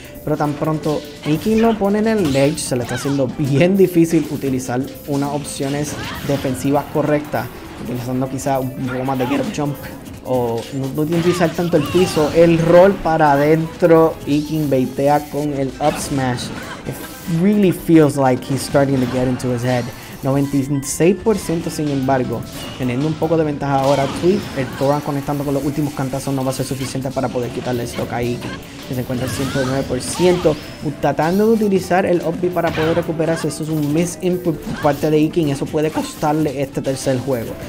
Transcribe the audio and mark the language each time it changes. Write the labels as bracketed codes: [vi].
[es] Pero tan pronto Ikin lo pone en el ledge, se le está haciendo bien difícil utilizar unas opciones defensivas correctas, utilizando quizá un poco más de get up jump o no tiene que usar tanto el piso, el roll para adentro y King baitea con el up smash. [en] It really feels like he's starting to get into his head. [es] 96% sin embargo, teniendo un poco de ventaja ahora Tweet, el Toran conectando con los últimos cantazos no va a ser suficiente para poder quitarle el stock a Iki, que se encuentra al 109%, tratando de utilizar el Obby para poder recuperarse. Eso es un miss input por parte de Iki y eso puede costarle este tercer juego.